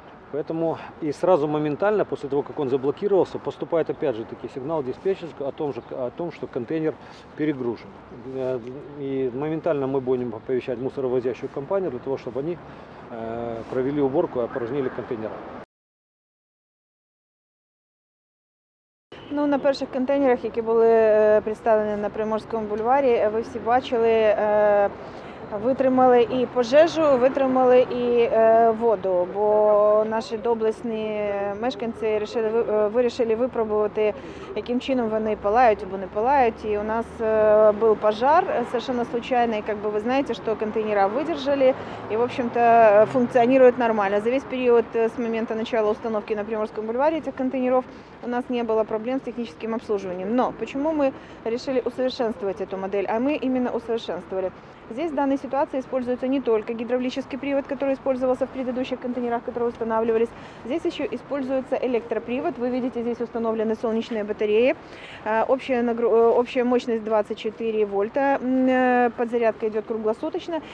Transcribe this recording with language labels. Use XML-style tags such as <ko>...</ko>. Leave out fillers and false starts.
<ru>Поэтому и сразу моментально, после того, как он заблокировался, поступает опять же таки сигнал диспетчерскому о том, что контейнер перегружен. И моментально мы будем оповещать мусоровозящую компанию для того, чтобы они провели уборку и опорожнили контейнера.</ru> <uk>Ну, на перших контейнерах, які були представлені на Приморському бульварі, ви всі бачили, витримали і пожежу, витримали і воду, бо наші доблесні мешканці вирішили випробувати, яким чином вони палають або не палають. І у нас був пожар</uk> <ru>совершенно случайний. Как бы</ru> <uk>ви знаєте, що контейнера видержали і,</uk> <ru>в общем-то,</ru> <uk>функціонують нормально. За весь період з моменту початку установки на Приморському бульварі цих контейнерів у нас не було проблем з технічним обслуговуванням. Но чому ми вирішили усовершенствувати цю модель? А ми іменно усовершенствували.</uk> <ru>Здесь в данной ситуации используется не только гидравлический привод, который использовался в предыдущих контейнерах, которые устанавливались. Здесь еще используется электропривод. Вы видите, здесь установлены солнечные батареи. Общая мощность 24 вольта. Подзарядка идет круглосуточно.</ru>